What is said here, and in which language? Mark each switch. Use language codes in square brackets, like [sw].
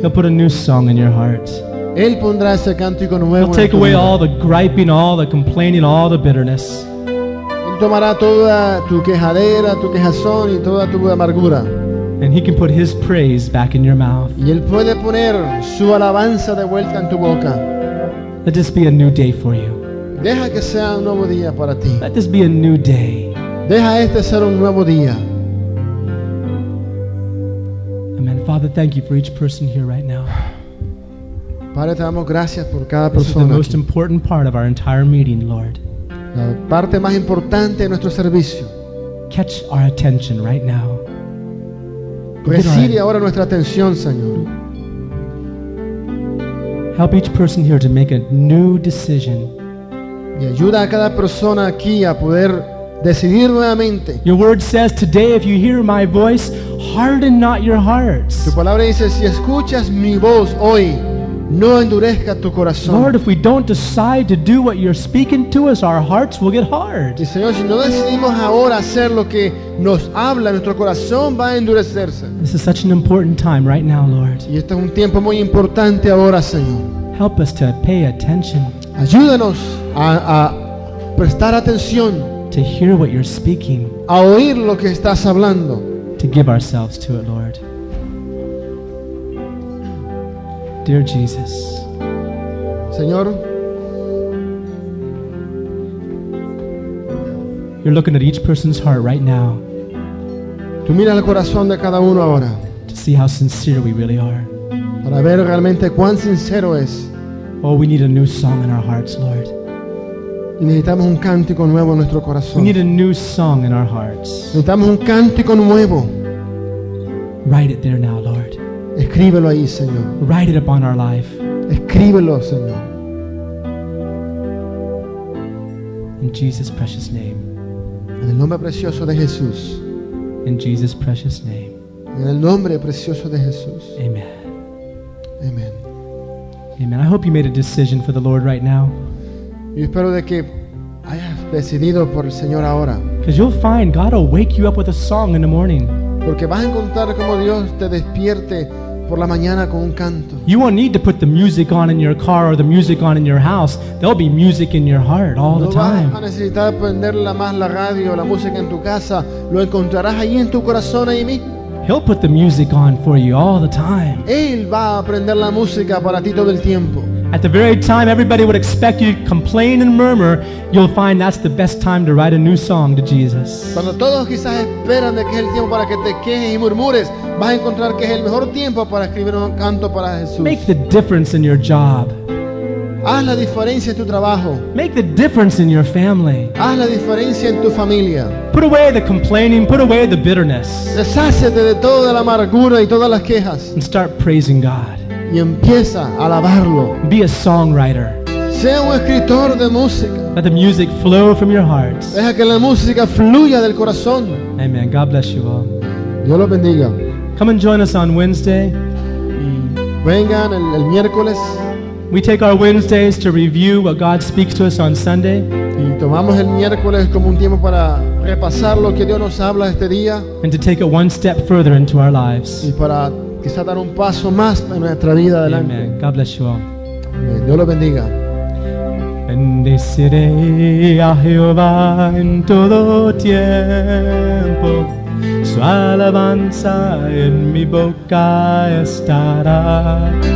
[en] He'll put a new song in your heart. [es] Él pondrá ese cántico nuevo. [en] He'll take away all the griping, all the complaining, all the bitterness. [es] Tomará toda tu quejadera, tu quejazón y toda tu amargura. [en] And he can put his praise back in your mouth. [es] Y él puede poner su alabanza de vuelta en tu boca. [en] Let this be a new day for you. [es] Deja que sea un nuevo día para ti. [en] Let this be a new day. [es] Deja este ser un nuevo día. Amen. [en] Father, thank you for each person here right now. [es] Padre, te damos gracias por cada persona. [en] This is the most important part of our entire meeting, Lord. [es] La parte más importante de nuestro servicio. [en] Catch our attention right now. [es] Recibe ahora nuestra atención, Señor. [en] Help each person here to make a new decision. [es] Y ayuda a cada persona aquí a poder decidir nuevamente. [en] Your word says today, if you hear my voice, harden not your hearts. [es] Tu palabra dice, si escuchas mi voz hoy, no endurezca tu corazón. [en] Lord, if we don't decide to do what you're speaking to us, our hearts will get hard. [es] Y Señor, si no decidimos ahora hacer lo que nos habla, nuestro corazón va a endurecerse. [en] This is such an important time right now, Lord. [es] Y este es un tiempo muy importante ahora, Señor. [en] Help us to pay attention. [es] Ayúdanos a prestar atención. [en] To hear what you're speaking. [es] A oír lo que estás hablando. [en] To give ourselves to it, Lord. Dear Jesus, [es] Señor, [en] you're looking at each person's heart right now. [es] Tú miras el corazón de cada uno ahora. [en] To see how sincere we really are. [es] Para ver realmente cuán sincero es. [en] Oh, we need a new song in our hearts, Lord. [es] Y necesitamos un cántico nuevo en nuestro corazón. [en] We need a new song in our hearts. [es] Necesitamos un cántico nuevo. [en] Write it there now, Lord. [es] Escríbelo ahí, Señor. [en] Write it upon our life. [es] Escríbelo, Señor. [en] In Jesus' precious name. [es] En el nombre precioso de Jesús. [en] In Jesus' precious name. [es] En el nombre precioso de Jesús. Amen. Amen. Amen. [en] I hope you made a decision for the Lord right now. [es] Yo espero de que hayas decidido por el Señor ahora. [en] Because you'll find God will wake you up with a song in the morning. [es] Porque vas a encontrar como Dios te despierte por la mañana con un canto. [en] You won't need to put the music on in your car or the music on in your house. There'll be music in your heart all the time. [es] No vas a necesitar poner más la radio o la música en tu casa. Lo encontrarás ahí en tu corazón ahí mismo. [en] He'll put the music on for you all the time. [es] Él va a prender la música para ti todo el tiempo. [en] At the very time everybody would expect you to complain and murmur, you'll find that's the best time to write a new song to Jesus. [es] Cuando todos quizás esperan de que es el tiempo para que te quejes y murmures, vas a encontrar que es el mejor tiempo para escribir un canto para Jesús. [en] Make the difference in your job. [es] Haz la diferencia en tu trabajo. [en] Make the difference in your family. [es] Haz la diferencia en tu familia. [en] Put away the complaining, put away the bitterness. [es] Deshácete de toda la amargura y todas las quejas. [en] And start praising God. [es] Y empieza a alabarlo. [en] Be a songwriter. [es] Sea un escritor de música. [en] Let the music flow from your heart. [es] Deja que la música fluya del corazón. [en] Amen. God bless you all. [es] Dios los bendiga. [en] Come and join us on Wednesday. [es] Vengan el miércoles. [en] We take our Wednesdays to review what God speaks to us on Sunday. [es] Y tomamos el miércoles como un tiempo para repasar lo que Dios nos habla este día. [en] And to take it one step further into our lives. [es] Y para quizá dar un paso más en nuestra vida adelante. [en] Amen. God bless you all. [es] Amen. Dios lo bendiga. Bendeciré a Jehová en todo tiempo. Su alabanza en mi boca estará.